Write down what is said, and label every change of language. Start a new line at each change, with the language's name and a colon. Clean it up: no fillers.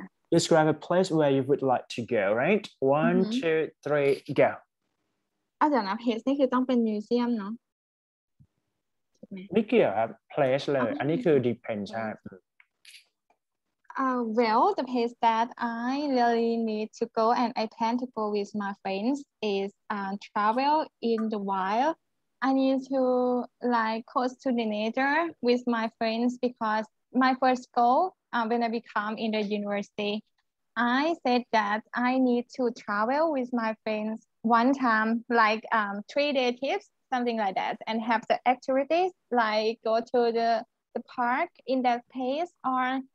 English: Describe a place where you would like to go, right? One, two, three, go.
Thai: เดี๋ยวนะ place นี่คือต้องเป็น museum เนาะ ไม่เกี่ยวครับ place เลยอันนี้คือ depends ใช่
English: Well, the place that I really need to go and I plan to go with my friends is travel in the wild. I need to like close to the nature with my friends because my first goal when I become in the university, I said that I need to travel with my friends one time, like 3-day trips, something like that, and have the activities like go to the park in that place or.